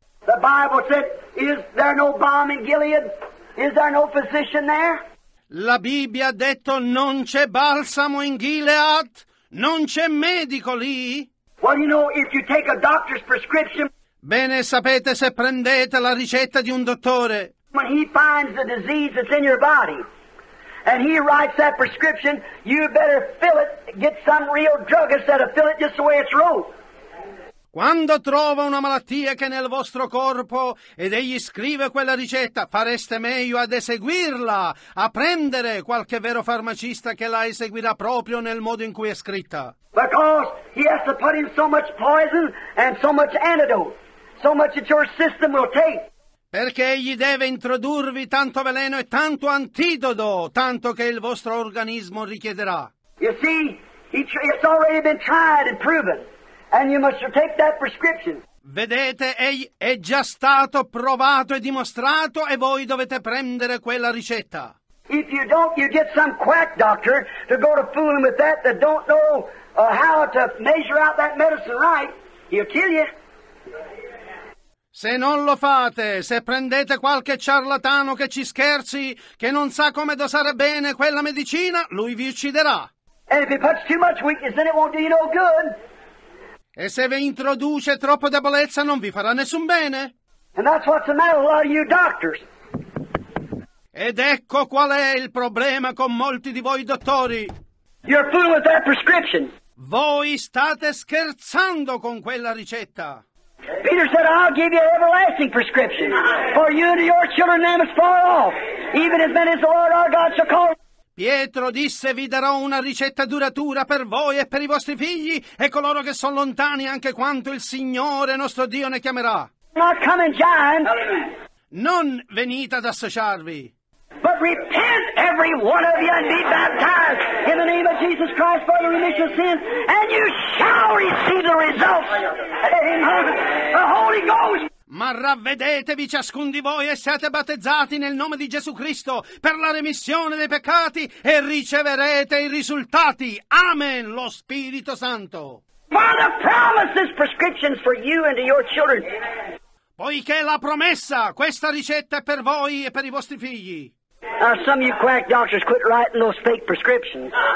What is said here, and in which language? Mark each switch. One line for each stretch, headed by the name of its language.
English: The Bible said, is there no balm in Gilead? Is there no physician there?
Italian: La Bibbia ha detto, non c'è balsamo in Gilead? Non c'è medico lì?
English: Well, you know, if you take a doctor's prescription.
Italian: Bene, sapete, se prendete la ricetta di un dottore.
English: When he finds the disease that's in your body. and he writes that prescription, you better fill it, get some real druggist that'll fill it just the way it's wrote.
Italian: Quando trova una malattia che è nel vostro corpo ed egli scrive quella ricetta, fareste meglio ad eseguirla, a prendere qualche vero farmacista che la eseguirà proprio nel modo in cui è scritta.
English: Because he has to put in so much poison and so much antidote, so much that your system will take.
Italian: Perché egli deve introdurvi tanto veleno e tanto antidoto, tanto che il vostro organismo richiederà.
English: You see, it's already been tried and proven. And you must take that prescription.
Italian: Vedete, egli è già stato provato e dimostrato e voi dovete prendere quella ricetta.
English: If you don't, you get some quack doctor to go to fool him with that that don't know how to measure out that medicine right, he'll kill you.
Italian: Se non lo fate, se prendete qualche ciarlatano che ci scherzi, che non sa come dosare bene quella medicina, lui vi ucciderà.
English: And if he puts too much weakness, then it won't do you no good.
Italian: E se vi introduce troppa debolezza non vi farà nessun bene.
English: And that's what's the matter with a lot of you doctors.
Italian: Ed ecco qual è il problema con molti di voi dottori.
English: You're fooling with that prescription.
Italian: Voi state scherzando con quella ricetta.
English: Peter said, I'll give you an everlasting prescription. For you and your children name is far off. Even as many as the Lord our God shall call.
Italian: Pietro disse, vi darò una ricetta duratura per voi e per i vostri figli e coloro che sono lontani anche quanto il Signore nostro Dio ne chiamerà.
English: Not come and join.
Italian: Non venite ad associarvi.
English: But repent every one of you and be baptized in the name of Jesus Christ for the remission of sins and you shall receive the results in the Holy Ghost.
Italian: Ma ravvedetevi ciascun di voi e siate battezzati nel nome di Gesù Cristo per la remissione dei peccati e riceverete i risultati. Amen, lo Spirito Santo.
English: Father promises prescriptions for you and to your children.
Italian: Poiché la promessa, questa ricetta è per voi e per i vostri figli.
English: Now some of you quack doctors quit writing those fake prescriptions.